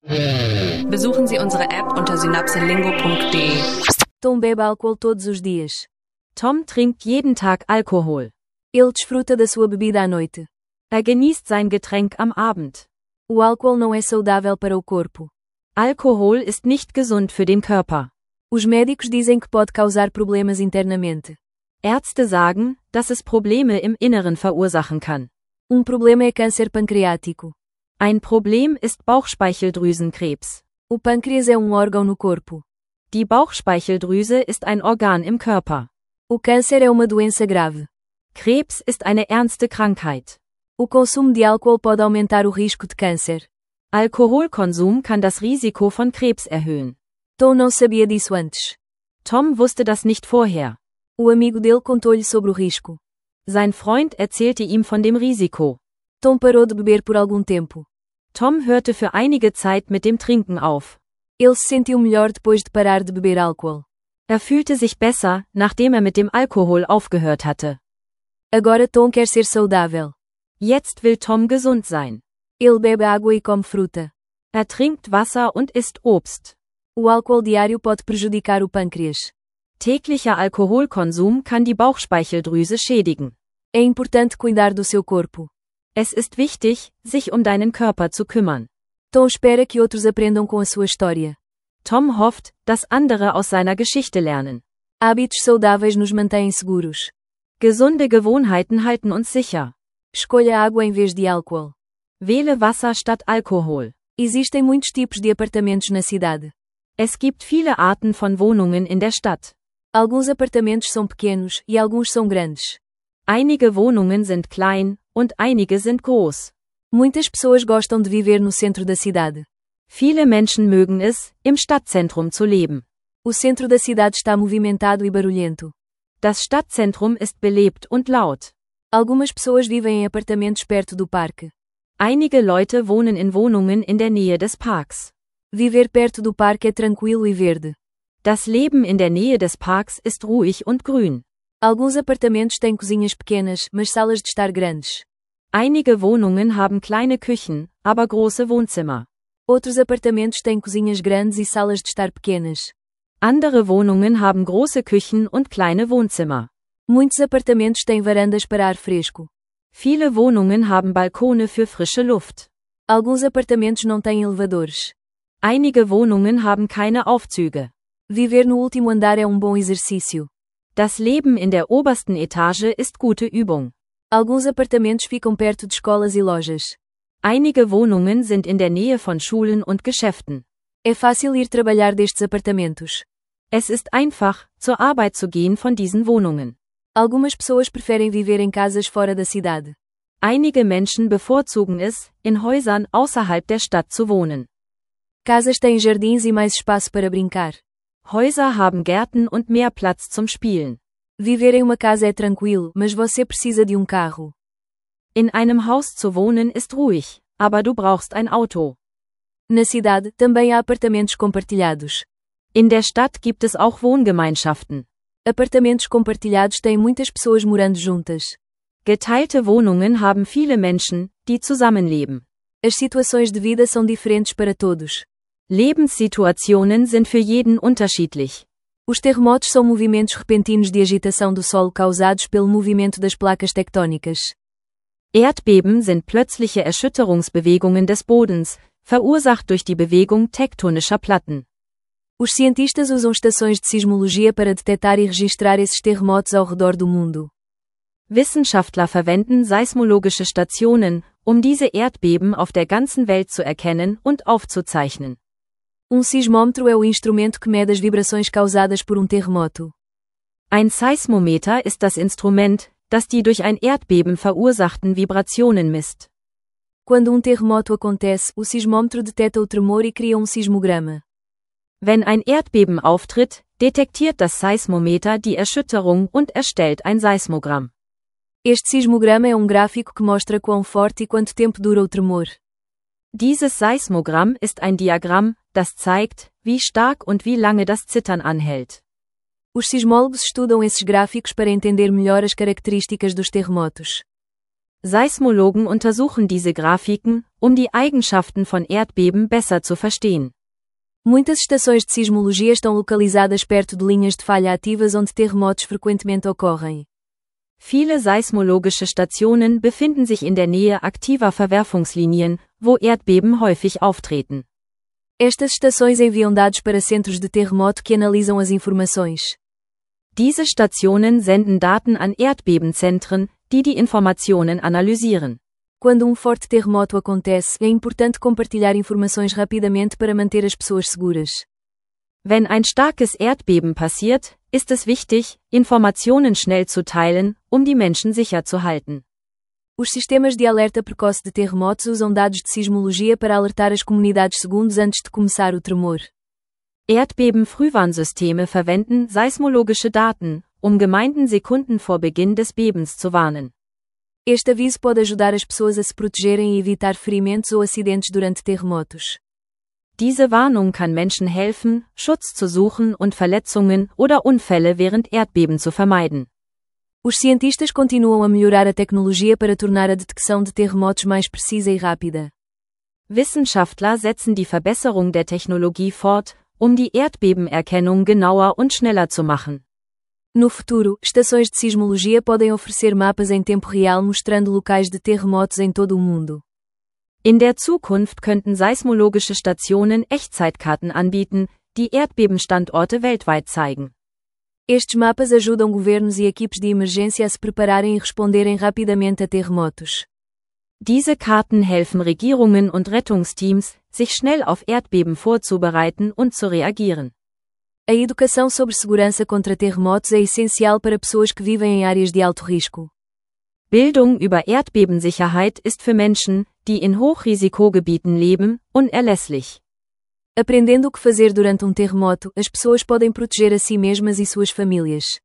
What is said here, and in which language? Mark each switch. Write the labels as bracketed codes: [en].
[de] Besuchen Sie unsere App unter synapselingo.de. [pt] Tom bebe álcool todos os dias. [de] Tom trinkt jeden Tag Alkohol. [pt] Ele desfruta da sua bebida à noite. [de] Er genießt sein Getränk am Abend. [pt] O álcool não é saudável para o corpo. [de] Alkohol ist nicht gesund für den Körper. [pt] Os médicos dizem que pode causar problemas internamente. [de] Ärzte sagen, dass es Probleme im Inneren verursachen kann. [pt] Um problema é câncer pancreático. [de] Ein Problem ist Bauchspeicheldrüsenkrebs. [pt] O pâncreas é órgão no corpo. [de] Die Bauchspeicheldrüse ist ein Organ im Körper. [pt] O câncer é uma doença grave. [de] Krebs ist eine ernste Krankheit. [pt] O consumo de álcool pode aumentar o risco de câncer. [de] Alkoholkonsum kann das Risiko von Krebs erhöhen. [pt] Tom não sabia disso antes. [de] Tom wusste das nicht vorher. [pt] O amigo dele contou-lhe sobre o risco. [de] Sein Freund erzählte ihm von dem Risiko. [pt] Tom parou de beber por algum tempo. [de] Tom hörte für einige Zeit mit dem Trinken auf. [pt] Ele se sentiu melhor depois de parar de beber álcool. [de] Er fühlte sich besser, nachdem er mit dem Alkohol aufgehört hatte. [pt] Agora Tom quer ser saudável. [de] Jetzt will Tom gesund sein. [pt] Ele bebe água e come fruta. [de] Er trinkt Wasser und isst Obst. [pt] O álcool diário pode prejudicar o pâncreas. [de] Täglicher Alkoholkonsum kann die Bauchspeicheldrüse schädigen. [pt] É importante cuidar do seu corpo. [de] Es ist wichtig, sich um deinen Körper zu kümmern. [pt] Tom espera que outros aprendam com a sua história. [de] Tom hofft, dass andere aus seiner Geschichte lernen. [pt] Hábitos saudáveis nos mantêm seguros. [de] Gesunde Gewohnheiten halten uns sicher. [pt] Escolha água em vez de álcool. [de] Wähle Wasser statt Alkohol. [pt] Existem muitos tipos de apartamentos na cidade. [de] Es gibt viele Arten von Wohnungen in der Stadt. [pt] Alguns apartamentos são pequenos e alguns são grandes. [de] Einige Wohnungen sind klein und einige sind groß. [pt] Muitas pessoas gostam de viver no centro da cidade. [de] Viele Menschen mögen es, im Stadtzentrum zu leben. [pt] O centro da cidade está movimentado e barulhento. [de] Das Stadtzentrum ist belebt und laut. [pt] Algumas pessoas vivem em apartamentos perto do parque. [de] Einige Leute wohnen in Wohnungen in der Nähe des Parks. [pt] Viver perto do parque é tranquilo e verde. [de] Das Leben in der Nähe des Parks ist ruhig und grün. [pt] Alguns apartamentos têm cozinhas pequenas, mas salas de estar grandes. [de] Einige Wohnungen haben kleine Küchen, aber große Wohnzimmer. [pt] Outros apartamentos têm cozinhas grandes e salas de estar pequenas. [de] Andere Wohnungen haben große Küchen und kleine Wohnzimmer. [pt] Muitos apartamentos têm varandas para ar fresco. [de] Viele Wohnungen haben Balkone für frische Luft. [pt] Alguns apartamentos não têm elevadores. [de] Einige Wohnungen haben keine Aufzüge. [pt] Viver no último andar é bom exercício. [de] Das Leben in der obersten Etage ist gute Übung. [pt] Alguns apartamentos ficam perto de escolas e lojas. [de] Einige Wohnungen sind in der Nähe von Schulen und Geschäften. [pt] É fácil ir trabalhar destes apartamentos. [de] Es ist einfach, zur Arbeit zu gehen von diesen Wohnungen. [pt] Algumas pessoas preferem viver em casas fora da cidade. [de] Einige Menschen bevorzugen es, in Häusern außerhalb der Stadt zu wohnen. [pt] Casas têm jardins e mais espaço para brincar. [de] Häuser haben Gärten und mehr Platz zum Spielen. [pt] Viver em uma casa é tranquilo, mas você precisa de carro. [de] In einem Haus zu wohnen ist ruhig, aber du brauchst ein Auto. [pt] Na cidade, também há apartamentos compartilhados. [de] In der Stadt gibt es auch Wohngemeinschaften. [pt] Apartamentos compartilhados têm muitas pessoas morando juntas. [de] Geteilte Wohnungen haben viele Menschen, die zusammenleben. [pt] As situações de vida são diferentes para todos. [de] Lebenssituationen sind für jeden unterschiedlich. [pt] Os terremotos são movimentos repentinos de agitação do solo causados pelo movimento das placas tectônicas. [de] Erdbeben sind plötzliche Erschütterungsbewegungen des Bodens, verursacht durch die Bewegung tektonischer Platten. [pt] Os cientistas usam estações de sismologia para detectar e registrar esses terremotos ao redor do mundo. [de] Wissenschaftler verwenden seismologische Stationen, diese Erdbeben auf der ganzen Welt zu erkennen und aufzuzeichnen. [pt] Sismômetro é o instrumento que mede as vibrações causadas por terremoto. [de] Ein Seismometer ist das Instrument, das die durch ein Erdbeben verursachten Vibrationen misst. [pt] Quando terremoto acontece, o sismômetro detecta o tremor e cria sismograma. [de] Wenn ein Erdbeben auftritt, detektiert das Seismometer die Erschütterung und erstellt ein Seismogramm. [pt] Este sismograma é gráfico que mostra quão forte e quanto tempo dura o tremor. [de] Dieses Seismogramm ist ein Diagramm, das zeigt, wie stark und wie lange das Zittern anhält. [pt] Os sismólogos estudam esses gráficos para entender melhor as características dos terremotos. [de] Seismologen untersuchen diese Grafiken, die Eigenschaften von Erdbeben besser zu verstehen. [pt] Muitas estações de sismologia estão localizadas perto de linhas de falha ativas onde terremotos frequentemente ocorrem. [de] Viele seismologische Stationen befinden sich in der Nähe aktiver Verwerfungslinien, wo Erdbeben häufig auftreten. [pt] Estas estações enviam dados para centros de terremoto que analisam as informações. [de] Diese Stationen senden Daten an Erdbebenzentren, die die Informationen analysieren. [pt] Quando forte terremoto acontece, é importante compartilhar informações rapidamente para manter as pessoas seguras. [de] Wenn ein starkes Erdbeben passiert, ist es wichtig, Informationen schnell zu teilen, die Menschen sicher zu halten. [pt] Os sistemas de alerta precoce de terremotos usam dados de sismologia para alertar as comunidades segundos antes de começar o tremor. [de] Erdbeben-Frühwarnsysteme verwenden seismologische Daten, Gemeinden Sekunden vor Beginn des Bebens zu warnen. [pt] Este aviso pode ajudar as pessoas a se protegerem e evitar ferimentos ou acidentes durante terremotos. [de] Diese Warnung kann Menschen helfen, Schutz zu suchen und Verletzungen oder Unfälle während Erdbeben zu vermeiden. [pt] Os cientistas continuam a melhorar a tecnologia para tornar a detecção de terremotos mais precisa e rápida. [de] Wissenschaftler setzen die Verbesserung der Technologie fort, die Erdbebenerkennung genauer und schneller zu machen. [pt] No futuro, estações de sismologia podem oferecer mapas em tempo real mostrando locais de terremotos em todo o mundo. [de] In der Zukunft könnten seismologische Stationen Echtzeitkarten anbieten, die Erdbebenstandorte weltweit zeigen. [pt] Estes mapas ajudam governos e equipes de emergência a se prepararem e responderem rapidamente a terremotos. [de] Diese Karten helfen Regierungen und Rettungsteams, sich schnell auf Erdbeben vorzubereiten und zu reagieren. [pt] A educação sobre segurança contra terremotos é essencial para pessoas que vivem em áreas de alto risco. [de] Bildung über Erdbebensicherheit ist für Menschen, die in Hochrisikogebieten leben, unerlässlich. [pt] Aprendendo o que fazer durante terremoto, as pessoas podem proteger a si mesmas e suas famílias.